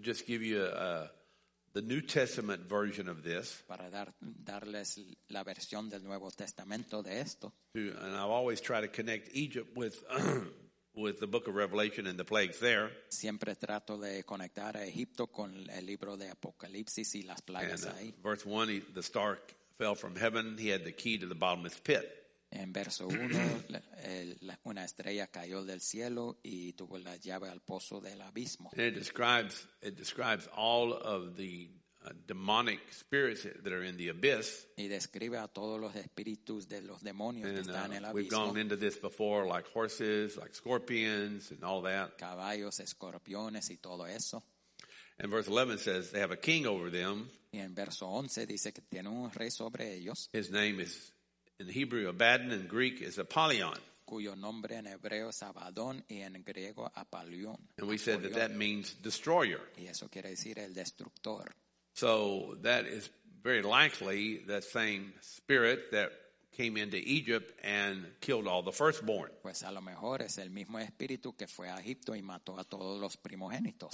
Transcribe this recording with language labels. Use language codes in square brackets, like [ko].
[en] To just give you a the New Testament version of this. [es] Para darles la versión del Nuevo Testamento de esto. [en] And I always try to connect Egypt with the book of Revelation and the plagues there. [es] Siempre trato de conectar a Egipto con el libro de Apocalipsis y las plagas [en] and, [es] ahí. [en] Verse 1, the star fell from heaven. He had the key to the bottomless pit. [es] En verso 1, una estrella cayó del cielo y tuvo la llave al pozo del abismo. [en] And it describes all of the demonic spirits that are in the abyss. [es] Y describe a todos los espíritus de los demonios que están en el abismo. [en] We've gone into this before, like horses, like scorpions, and all that. [es] Caballos, escorpiones y todo eso. [en] And verse 11 says they have a king over them. [es] Y en verso 11 dice que tiene un rey sobre ellos. [en] His name is in Hebrew, Abaddon, and Greek is Apollyon. [es] Cuyo nombre en hebreo es Abaddon y en griego Apollyon. [en] And we said that means destroyer. [es] Y eso quiere decir el destructor. [en] So that is very likely the same spirit that came into Egypt and killed all the firstborn. [es] Pues a lo mejor es el mismo espíritu que fue a Egipto y mató a todos los primogénitos.